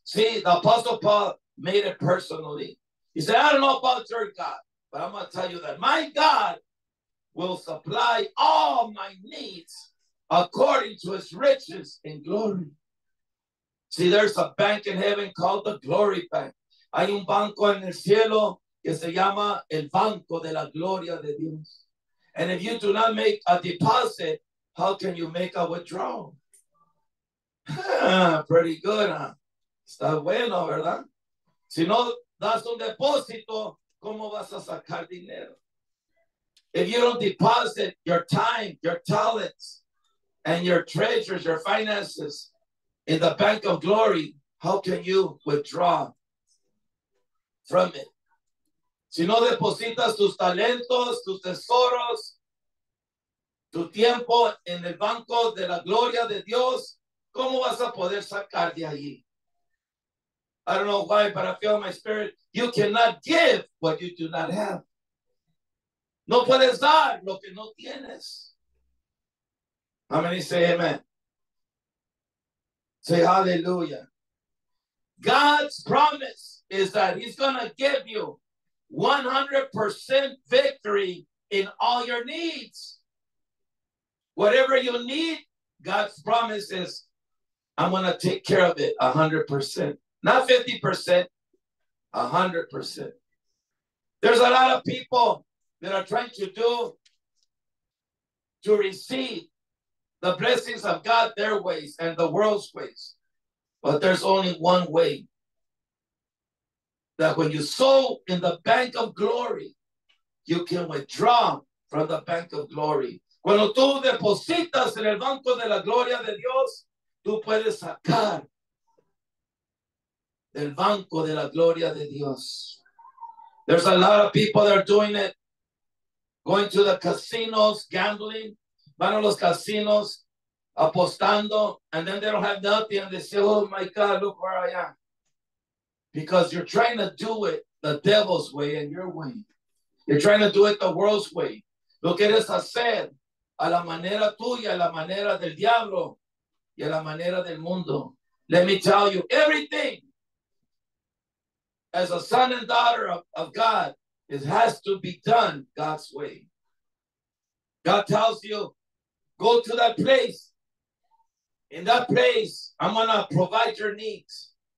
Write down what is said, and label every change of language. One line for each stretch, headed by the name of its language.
English: See, the apostle Paul made it personally. He said, I don't know about your God, but I'm going to tell you that my God will supply all my needs according to his riches in glory. See, there's a bank in heaven called the Glory Bank.
Spanish: Hay un banco en el cielo que se llama el Banco de la Gloria de Dios.
English: And if you do not make a deposit, how can you make a withdrawal? Pretty good, huh?
Spanish: Está bueno, ¿verdad? Si no das un depósito, ¿cómo vas a sacar dinero?
English: If you don't deposit your time, your talents, and your treasures, your finances in the bank of glory, how can you withdraw from it?
Spanish: Si no depositas tus talentos, tus tesoros, tu tiempo en el banco de la gloria de Dios, ¿cómo vas a poder sacar de allí?
English: I don't know why, but I feel in my spirit, you cannot give what you do not have.
Spanish: No puedes dar lo que no tienes.
English: How many say amen? Say hallelujah. God's promise is that he's going to give you 100% victory in all your needs. Whatever you need, God's promise is, I'm going to take care of it 100%. Not 50%, 100%. There's a lot of people that are trying to do to receive the blessings of God their ways and the world's ways. But there's only one way. That when you sow in the bank of glory, you can withdraw from the bank of glory.
Spanish: Cuando tú depositas en el banco de la gloria de Dios, tú puedes sacar del banco de la gloria de Dios.
English: There's a lot of people that are doing it. Going to the casinos, gambling.
Spanish: Van a los casinos, apostando.
English: And then they don't have nothing. And they say, oh my God, look where I am. Because you're trying to do it the devil's way and your way. You're trying to do it the world's way.
Spanish: Lo quieres hacer a la manera tuya, a la manera del diablo y a la manera del mundo.
English: Let me tell you, everything as a son and daughter of God, it has to be done God's way. God tells you, go to that place. In that place, I'm going to provide your needs.